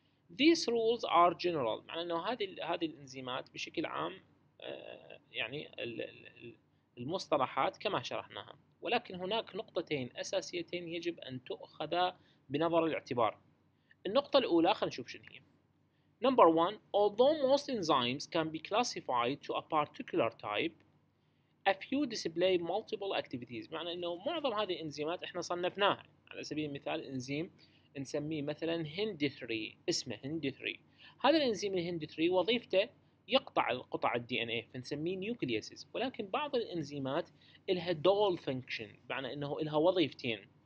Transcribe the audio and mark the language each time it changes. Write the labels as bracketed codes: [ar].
[en] These rules are general، [ar] معنى انه هذه الانزيمات بشكل عام يعني المصطلحات كما شرحناها، ولكن هناك نقطتين أساسيتين يجب أن تؤخذ بنظر الاعتبار. النقطة الأولى خلينا نشوف شنو هي. [en] Number one, although most enzymes can be classified to a particular type, a few display multiple activities. [ar] معنى إنه معظم هذه الإنزيمات إحنا صنفناها. على سبيل المثال إنزيم نسميه مثلاً هندثري، اسمه هندثري. هذا الإنزيم الهندثري وظيفته يقطع القطع الدي ان اي فنسميه نيوكلياسز، ولكن بعض الانزيمات لها دول فانكشن، بمعنى انه لها وظيفتين.